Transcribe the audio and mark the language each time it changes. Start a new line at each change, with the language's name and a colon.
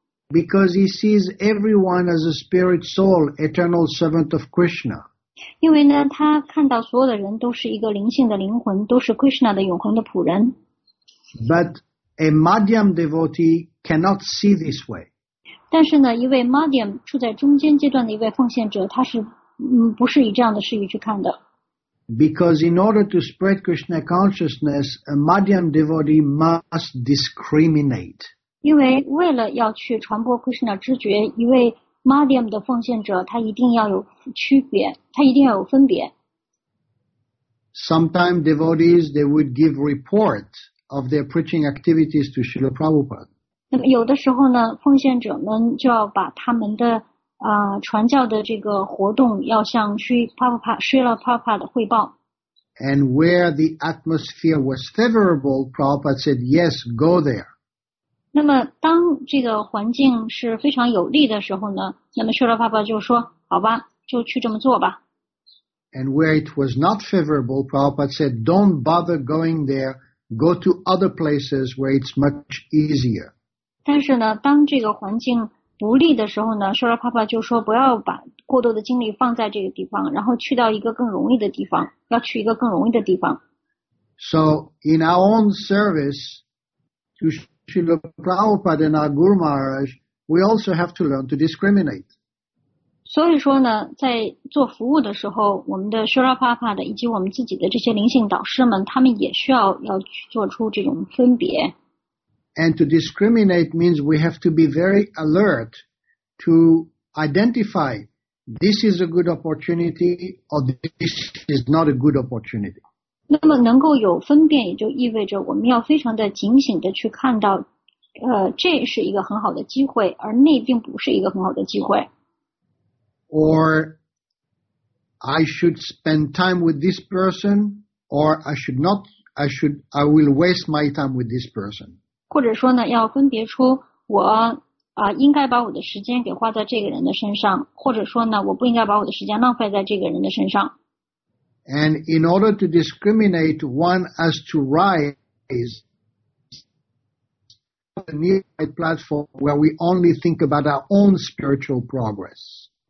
English: Because he sees everyone as a spirit soul, eternal servant of Krishna.
Chinese: 因为呢他看到所有的人都是一个灵性的灵魂，都是 Krishna 的永恒的仆人。
English: But a Madhyam devotee cannot see this way.
Chinese: 但是呢，一位 Madhyam 处在中间阶段的一位奉献者，他是不是以这样的视野去看的
English: ？Because in order to spread Krishna consciousness, a Madhyam devotee must discriminate.
Chinese: 因为为了要去传播 Krishna 知觉，一位 Madhyam 的奉献者，他一定要有区别，他一定要有分别。
English: Sometimes devotees they would give reports of their preaching activities to Srila Prabhupada.
Chinese: 那么有的时候呢，奉献者们就要把他们的传教的这个活动要向 Srila Prabhupada 汇报。
English: And where the atmosphere was favorable, Prabhupada said, yes, go there.
Chinese: 那么当这个环境是非常有利的时候呢，那么 Srila Prabhupada 就说，好吧，就去这么做吧。
English: And where it was not favorable, Prabhupada said, don't bother going there, go to other places where it's much easier.
Chinese: 但是呢，当这个环境不利的时候呢，舍勒帕帕就说不要把过多的精力放在这个地方，然后去到一个更容易的地方，要去一个更容易的地方。
English: So in our own service to Srila Prabhupada and our Guru Maharaj, we also have to learn to discriminate.
Chinese: 所以说呢，在做服务的时候，我们的舍勒帕帕的以及我们自己的这些灵性导师们，他们也需要去做出这种分别。
English: And to discriminate means we have to be very alert to identify this is a good opportunity or this is not a good opportunity.
Chinese: 那么能够有分辨也就意味着我们要非常的警醒的去看到这是一个很好的机会而那并不是一个很好的机会。
English: Or I should spend time with this person or I will waste my time with this person.
Chinese: 或者说呢，要分别出我应该把我的时间给花在这个人的身上，或者说呢，我不应该把我的时间浪费在这个人的身上。
English: And in order to discriminate, one has to rise to a new platform where we only think about our own spiritual progress.